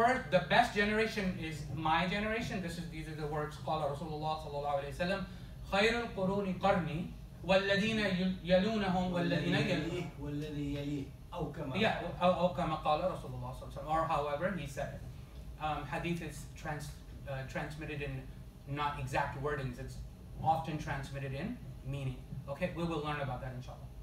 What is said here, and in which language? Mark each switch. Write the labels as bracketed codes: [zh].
[en] The best generation is my generation. These are the words called Rasulullah sallallahu alaihi wasallam. [ar] خير القرون قرني والذين يلونهم والذين يليه أو كما قال رسول الله صلى الله عليه وسلم. [en] Or however he said it. Hadith is transmitted in not exact wordings. It's often transmitted in meaning. Okay, we will learn about that inshallah.